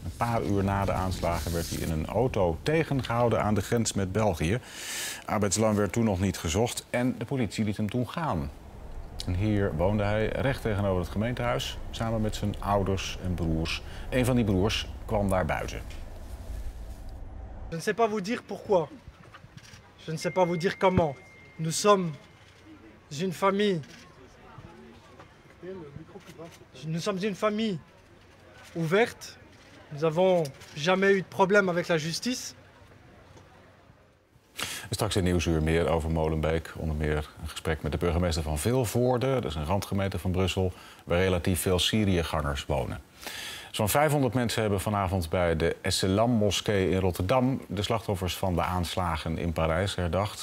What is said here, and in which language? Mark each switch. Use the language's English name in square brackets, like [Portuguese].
[Dutch] Een paar uur na de aanslagen werd hij in een auto tegengehouden aan de grens met België. Abedslam werd toen nog niet gezocht en de politie liet hem toen gaan. En hier woonde hij recht tegenover het gemeentehuis, samen met zijn ouders en broers. Een van die broers kwam daar buiten. [French] Je ne sais pas vous dire pourquoi. Je ne sais pas vous dire comment. Nous sommes une famille. Nous sommes une famille ouverte. Nous avons jamais eu de problème avec la justice. [Dutch] Straks in Nieuwsuur meer over Molenbeek. Onder meer een gesprek met de burgemeester van Vilvoorde. Dat is een randgemeente van Brussel, waar relatief veel Syriëgangers wonen. Zo'n 500 mensen hebben vanavond bij de Esselam-moskee in Rotterdam de slachtoffers van de aanslagen in Parijs herdacht.